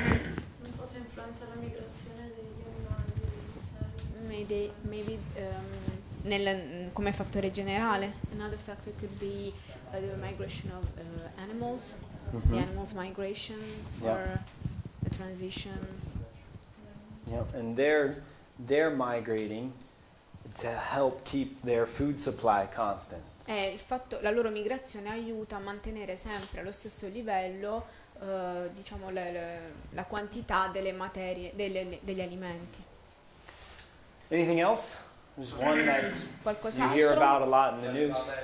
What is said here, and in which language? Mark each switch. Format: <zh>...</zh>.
<it>Non so se influenza la migrazione degli animali, cioè,</it> <en>maybe</en> <it>nel, come fattore generale.</it> <en>Another factor could be the migration of animals, mm-hmm. the animals migration, yeah. or the transition. Yeah, and they're migrating to help keep their food supply constant.</en> <it>Il fatto, la loro migrazione aiuta a mantenere sempre allo stesso livello, diciamo, la quantità delle materie, degli alimenti.</it> <en>Anything else? There's one that qualcosa you hear about a lot in the news.</en>